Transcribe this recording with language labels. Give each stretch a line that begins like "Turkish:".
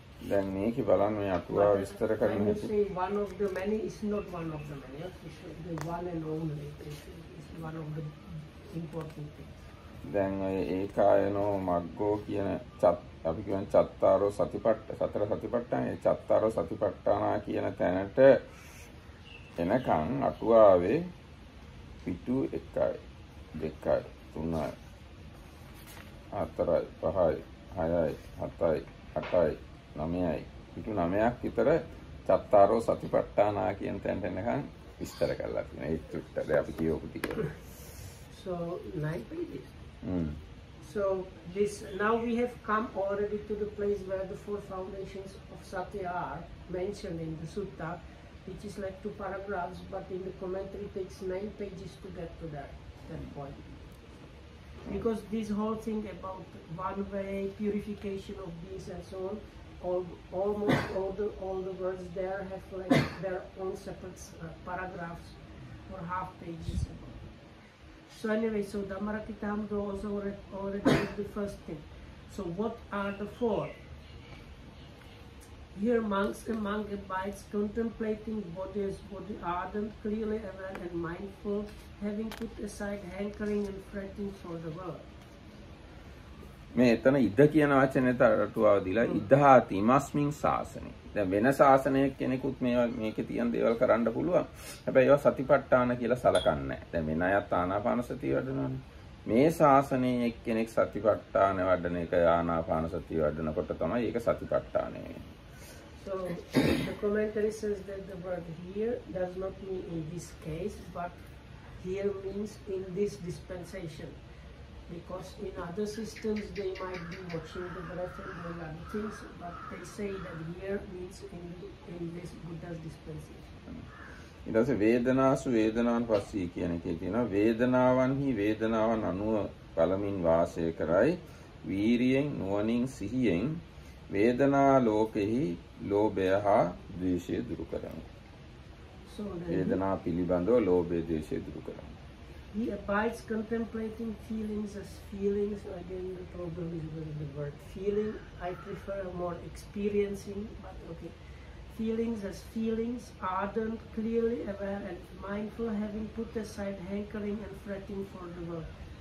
Sinhala: දැන් මේක බලන්න මේ අතුරා විස්තර කරන්න.
English: One of the many is not one of the many. It's the one and only. It's one of the important things.
Sinhala: දැන් ඔය ඒකායනෝ මග්ගෝ කියන අපි කියන චත්තාරෝ සතර සතිපට්ඨාන චත්තාරෝ සතිපට්ඨානා කියන තැනට එනකන් අතුරාවේ පිටු එකයි. දෙකයි තුනයි හතරයි පහයි හයයි හතයි අටයි නවයයි පිටු නවයක් විතර චත්තාරෝ සතිපට්ඨානා කියන තැනට එනකන් විස්තර කරලා තියෙනවා ඒත් උට දැන් අපි කියවපු ටික.
English: So nine pages. So this now we have come already to the place where the four foundations of sati are mentioned in the sutta, which is like two paragraphs, but in the commentary it takes nine pages to get to that. Point. Because this whole thing about one way, purification of beings and so on, almost all the words there have like their own separate paragraphs or half pages. So anyway, so Dhammarakitamdo also already is the first thing. So what are the four? Here monks and monk abides contemplating body as body ardent, clearly aware and mindful, having put aside hankering and fretting for the world.
Sinhala: මේ එතන ඉද්ධ කියන වචනේ තරටුවව දීලා
Pali: ඉද්ධාති මස්මින් සාසනෙ.
Sinhala: දැන් වෙන සාසනයක කෙනෙකුත් මේකේ තියෙන දේවල් කරන්න පුළුවන්. හැබැයි ඒවා සතිපට්ඨාන කියලා සලකන්නේ නැහැ. දැන් වෙන අයත් ආනාපාන සති වඩනවානේ. මේ සාසනයේ එක්කෙනෙක් සතිපට්ඨාන වඩන එක ආනාපාන සති වඩනකොට තමයි ඒක සතිපට්ඨානෙ.
English: So the commentary says that the word here does not mean in this case, but here means in this dispensation. Because in other systems they might be watching the breath and doing other things, but they say that here means in this Buddha's dispensation.
Sinhala: ඊට පස්සේ
Pali: වේදනාසු වේදනාන් පස්සී
Sinhala: කියන එකේ තියෙනවා වේදනාවන්හි වේදනාවන් අනුව බලමින් වාසය කරයි වීරියෙන් නුවණින් සිහියෙන් වේදනා ලෝකෙහි ලෝභය හා ද්වේෂය දුරු කරමු. වේදනා පිළිබඳව ලෝභය ද්වේෂය දුරු කරමු.
English: He abides contemplating feelings as feelings. Again, the problem is with the word feeling. I prefer more experiencing, but okay. feelings as feelings, ardent, clearly aware and mindful, having put aside hankering and fretting for the world.